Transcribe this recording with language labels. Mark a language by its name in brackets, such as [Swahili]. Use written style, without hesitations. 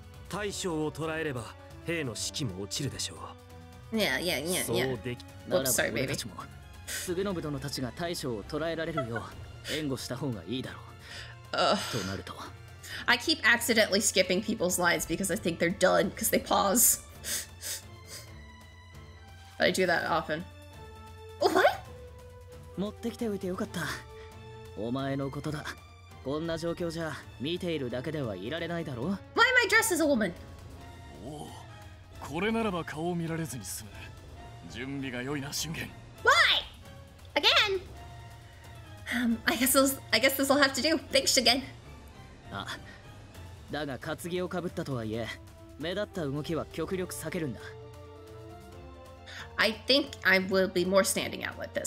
[Japanese] 大将を捕らえれば兵の士気も落ちるでしょう。いやいやいやいや。そうでき。 [English] Oops, sorry, baby. [Japanese] 俺たちも、スグノブ殿たちが大将を捕らえられるよう援護した方がいいだろう。となると。 [English] I keep accidentally skipping people's lines because I think they're done because they pause. I do that often. What? [Japanese] 持ってきておいてよかった。お前のことだ。こんな状況じゃ見ているだけではいられないだろう。 [English] Why am I dressed as a woman? [Japanese] Oh, これならば顔を見られずに済む。準備が良いな、俊賢。 [English] Why? Again? I guess this will have to do. Thanks again. [Japanese] あ、だが担ぎをかぶったとはいえ、目立った動きは極力避けるんだ。 [English] I think I will be more standing out with this.